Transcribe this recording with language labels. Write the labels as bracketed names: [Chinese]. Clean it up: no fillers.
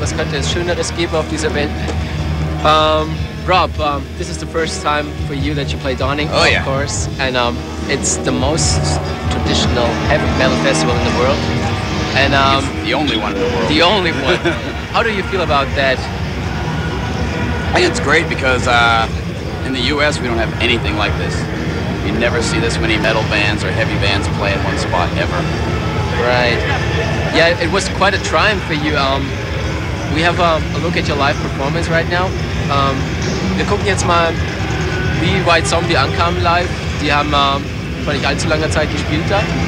[German] Was könnte es Schöneres geben auf dieser Welt? [English] Rob, this is the first time for you that you play Donington, of course. And it's the most traditional heavy metal festival in the world. And it's the only one in the world. The only one. How do you feel about that? I think it's great because in the U.S. we don't have anything like this. You never see this many metal bands or heavy bands play in one spot ever. Right. Yeah, it was quite a triumph for you. We have a look at your live performance right now. [German] Wir gucken jetzt mal, wie White Zombie ankam live. Die haben vor nicht allzu langer Zeit gespielt da.